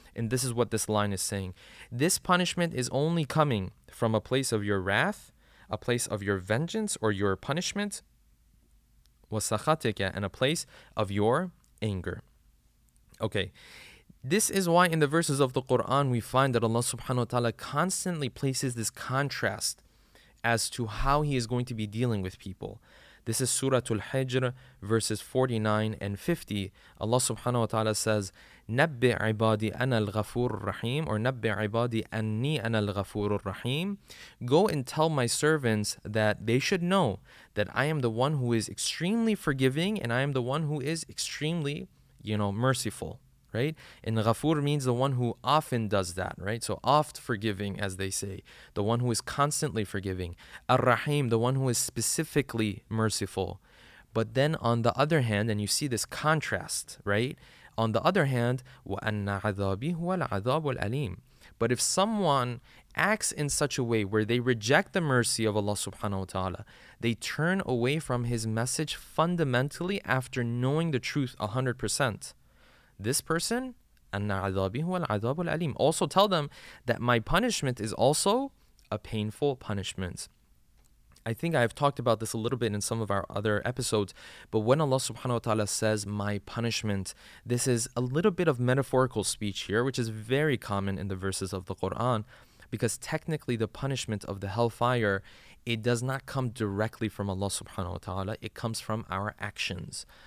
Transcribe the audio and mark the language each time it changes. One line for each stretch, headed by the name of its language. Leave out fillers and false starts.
English: And this is what this line is saying. This punishment is only coming from a place of your wrath, a place of your vengeance or your punishment, wasakhatika, and a place of your anger. Okay, this is why in the verses of the Quran we find that Allah subhanahu wa ta'ala constantly places this contrast as to how He is going to be dealing with people. This is Surah Al-Hijr, verses 49 and 50.
Arabic: Allah subhanahu wa ta'ala says, نَبِّ عِبَادِي أَنَا الْغَفُورُ الرَّحِيمُ or نَبِّ عِبَادِي أَنِّي أَنَا الْغَفُورُ الرَّحِيمُ.
English: Go and tell my servants that they should know that I am the one who is extremely forgiving and I am the one who is extremely, you know, merciful. Right? And ghafoor means the one who often does that, right? So oft forgiving, as they say, the one who is constantly forgiving. Ar-Rahim, the one who is specifically merciful. But then on the other hand, and you see this contrast, right? On the other hand,
Arabic: وَأَنَّ عَذَابِي هُوَ الْعَذَابُ الْعَلِيمُ.
English: But if someone acts in such a way where they reject the mercy of Allah subhanahu wa ta'ala, they turn away from His message fundamentally after knowing the truth 100%. This person,
Arabic: أَنَّ عَذَابِي هُوَ الْعَذَابُ الْعَلِيمُ.
English: Also tell them that my punishment is also a painful punishment. I think I've talked about this a little bit in some of our other episodes, but when Allah subhanahu wa ta'ala says my punishment, this is a little bit of metaphorical speech here, which is very common in the verses of the Quran, because technically the punishment of the hellfire, it does not come directly from Allah subhanahu wa ta'ala, it comes from our actions.